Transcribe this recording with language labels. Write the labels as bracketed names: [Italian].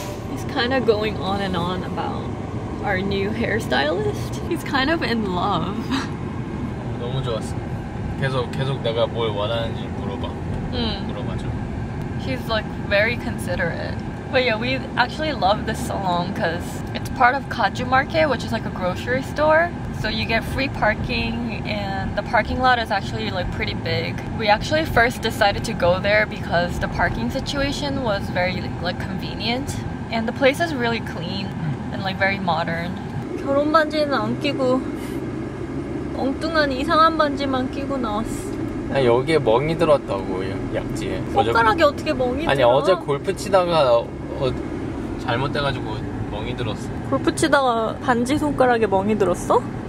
[English] He's kind of going on and on about our new hairstylist. He's kind of in love. [Korean] 너무 좋았어. 계속 내가 뭘 원하는지 물어봐. 물어봐줘. [English] He's like very considerate. But yeah, we actually love this salon because it's part of Kaju Market, which is like a grocery store. So you get free parking, and the parking lot is actually like pretty big. We actually first decided to go there because the parking situation was very like convenient, and the place is really clean and like very modern. [Korean] 결혼 반지는 안 끼고 엉뚱한 이상한 반지만 끼고 나왔어. 아니, 여기에 멍이 들었다고 약지에. 손가락이 어떻게 멍이 들어? 아니 어제 골프 치다가 잘못돼가지고 멍이 들었어. 골프 치다가 반지 손가락에 멍이 들었어?